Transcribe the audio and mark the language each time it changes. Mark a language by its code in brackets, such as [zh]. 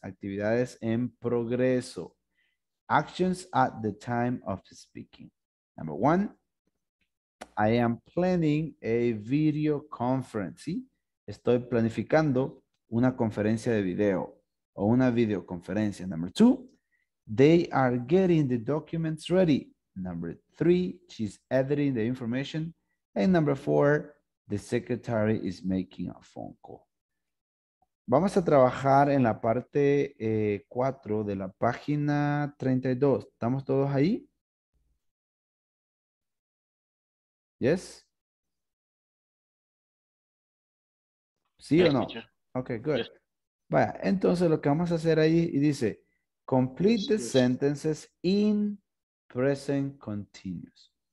[es] Actividades en progreso. [en] Actions at the time of speaking. Number one, I am planning a video conference. ¿Sí? [es] Estoy planificando una conferencia de video o una videoconferencia. [en] Number two, they are getting the documents ready. Number three, she's editing the information. And number four, the secretary is making a phone call. [es] Vamos a trabajar en la parte 4 de la página 32. ¿Estamos todos ahí? [en] Yes? [es] ¿Sí o no? Okay, good. Vaya, entonces lo que vamos a hacer ahí, y dice, [en] complete the sentences in present continuous.